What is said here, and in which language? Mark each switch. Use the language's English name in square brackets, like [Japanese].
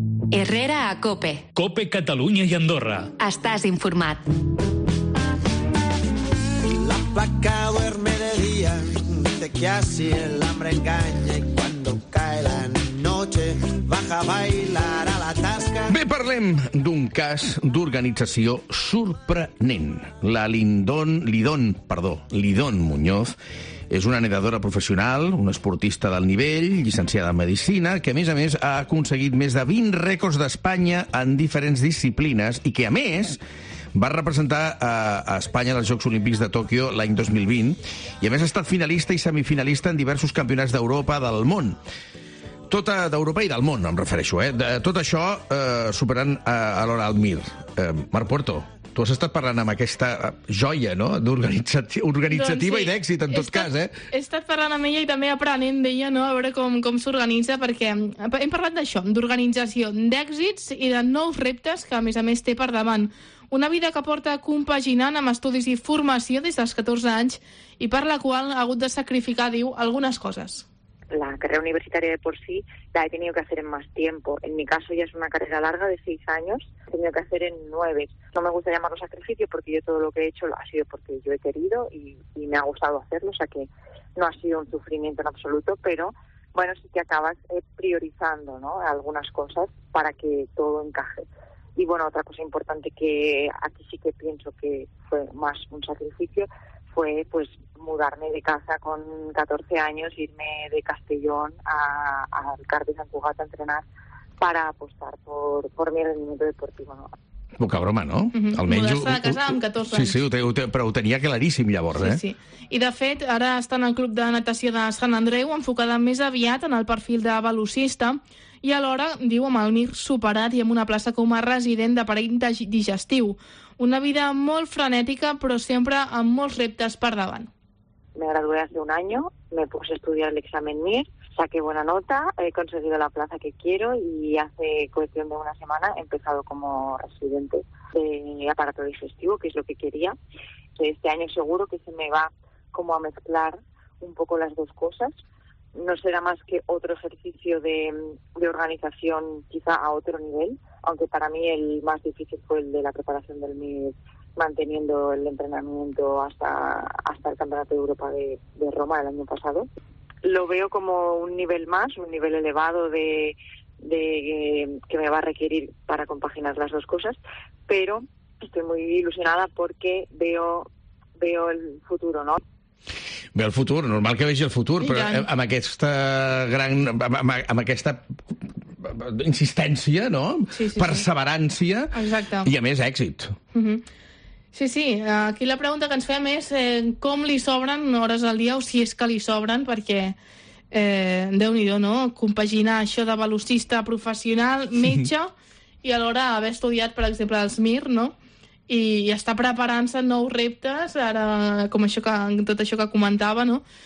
[Catalan] Herrera a Cope. Cope Catalunya y Andorra. Estàs informat. [Spanish] La placa duerme de... siente que así el hambre engaña y cuando cae la noche baja a bailar a la tasca. [Catalan] Bé, parlem d'un cas d'organització sorprenent. La Lidón Muñoz és una nedadora professional, una esportista d'alt nivell, llicenciada en Medicina, que a més ha aconseguit més de 20 rècords d'Espanya en diferents disciplines i que a més va representar a Espanya als Jocs Olímpics de Tòquio l'any 2020 i a més ha estat finalista i semifinalista en diversos campionats d'Europa, del món. Tota d'Europa i del món, em refereixo, eh? De tot això superant a l'hora al Mir. Marc Puerto, tu has estat parlant amb aquesta joia, no?, d'organitzativa, doncs sí, i d'èxit, en tot cas, eh? He estat parlant amb ella i també aprenent d'ella, no?, a veure com s'organitza, perquè hem parlat d'això, d'organització, d'èxits i de nous reptes que, a més, té per davant. Una vida que porta compaginant amb estudis i formació des dels 14 anys i per la qual ha hagut de sacrificar, diu, algunes coses. [Spanish] La carrera universitaria de por sí la he tenido que hacer en más tiempo. En mi caso ya es una carrera larga de 6 años, he tenido que hacer en 9. No me gusta llamarlo sacrificio porque yo todo lo que he hecho ha sido porque yo he querido y me ha gustado hacerlo, o sea que no ha sido un sufrimiento en absoluto, pero bueno, sí que acabas priorizando, ¿no?, algunas cosas para que todo encaje. Y bueno, otra cosa importante que aquí sí que pienso que fue más un sacrificio fue pues mudarme de casa con 14 años, irme de Castellón a Cardi San Cugat a entrenar para apostar por mi rendimiento deportivo. ¿No? [Catalan] Poca broma, no? Uh-huh. Almenys mudar-se de casa amb 14 anys. Sí, sí, però ho tenia claríssim llavors, sí, eh? Sí, sí. I de fet, ara està en el club de natació de Sant Andreu, enfocada més aviat en el perfil de velocista, i alhora, diu, amb el Mir superat i amb una plaça com a resident d'aparell digestiu. Una vida molt frenètica, però sempre amb molts reptes per davant. [Spanish] Me gradué hace un año, me puse a estudiar el examen MIR, saqué buena nota, he conseguido la plaza que quiero y hace cuestión de una semana he empezado como residente de aparato digestivo, que es lo que quería. Este año seguro que se me va como a mezclar un poco las dos cosas. No será más que otro ejercicio de organización quizá a otro nivel, aunque para mí el más difícil fue el de la preparación del MIR, manteniendo el entrenamiento hasta el Campeonato de Europa de Roma el año pasado. Lo veo como un nivel más, un nivel elevado que me va a requerir para compaginar las dos cosas, pero estoy muy ilusionada porque veo el futuro, ¿no? [Catalan] Bé, el futur, normal que vegi el futur, però amb aquesta gran... amb aquesta insistència, no? Sí, sí, perseverància, sí. Exacte. I a més èxit. Uh-huh. Sí, sí, aquí la pregunta que ens fem és com li sobren hores al dia, o si és que li sobren, perquè déu-n'hi-do, no?, compaginar això de velocista professional, metge, i alhora haver estudiat, per exemple, els MIR, no?, i està preparant-se nous reptes, ara, com això que, tot això que comentava, no?